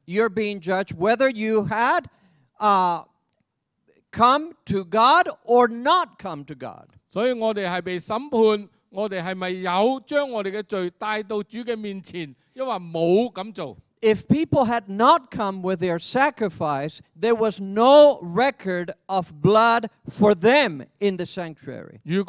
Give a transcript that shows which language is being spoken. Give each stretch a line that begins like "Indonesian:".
English: You're being judged whether you had come to God or not come to God.
Chinese: 所以我们是被审判，我们是不是有将我们的罪带到主的面前，因为没有这样做。
English: If people had not come with their sacrifice, there was no record of blood for them in the sanctuary.